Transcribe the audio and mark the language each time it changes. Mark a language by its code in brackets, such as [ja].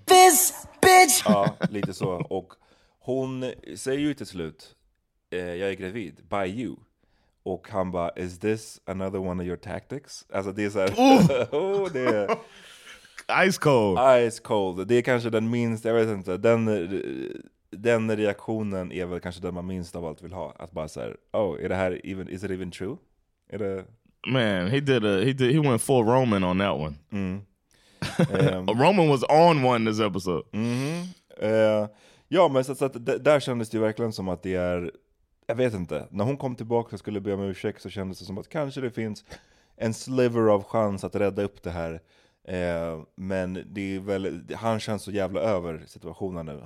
[en] this bitch! [sv] Ja, lite så. Och hon säger ju till slut, jag är gravid, [en] by you. [sv] Och han bara, [en] is this another one of your tactics? [sv] Alltså det är såhär, oh, det är... [en] Ice cold. Ice cold. [sv] Det är kanske den minst, jag vet inte, den reaktionen är väl kanske den man minst av allt vill ha. Att bara såhär, oh, är det här [en] even, is it even true? [sv] Är det... [en] Man, he went full Roman on that one. Mm. Roman was on one this episode. Mm-hmm. [sv] Ja, men så att där kändes det verkligen som att det är, jag vet inte, när hon kom tillbaka och skulle be om ursäkt så kändes det som att kanske det finns en sliver av chans att rädda upp det här. Men det är väl, han känns så jävla över situationen nu.